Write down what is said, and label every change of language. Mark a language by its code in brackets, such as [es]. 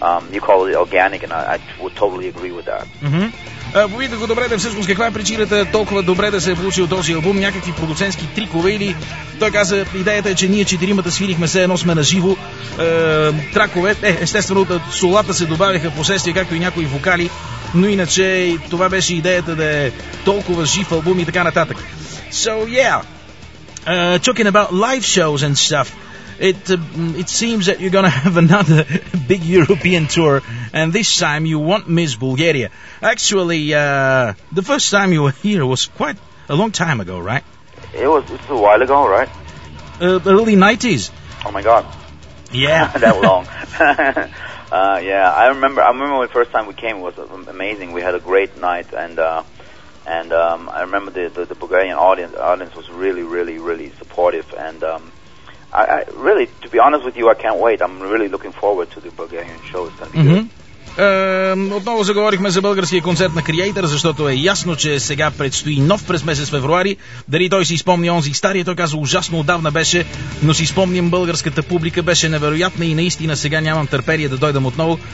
[en] You call it organic, and I would totally agree with that. Mm-hmm. [bg] Попитах го добре, да всъщност каква е причината толкова добре да се е получил този албум, някакви продуцентски трикове, или той каза, идеята е, че ние четиримата свирихме все едно сме на живо. Тракове, естествено, солата се добавиха в последствие, както и някои вокали, но иначе това беше идеята да е толкова жив албум и така нататък. [en] So, yeah, talking about live shows and stuff, It seems that you're going to have another big European tour, and this time you want Miss Bulgaria. Actually, the first time you were here was quite a long time ago, right? It's a while ago, right? Early 90s. Oh my god. Yeah. That long. I remember the first time we came, it was amazing. We had a great night, and I remember the Bulgarian audience was really, really, really supportive, and I really, to be honest with you, I can't wait. I'm really looking forward to the Bulgarian show. It's going to be mm-hmm. good. [bg] Отново заговорихме за българския концерт на Creator, защото е ясно, че сега предстои нов през месец февруари. Дали той си спомни онзи стария, той каза ужасно отдавна беше, но си спомням българската публика, беше невероятна и наистина сега нямам търпение да дойдам отново.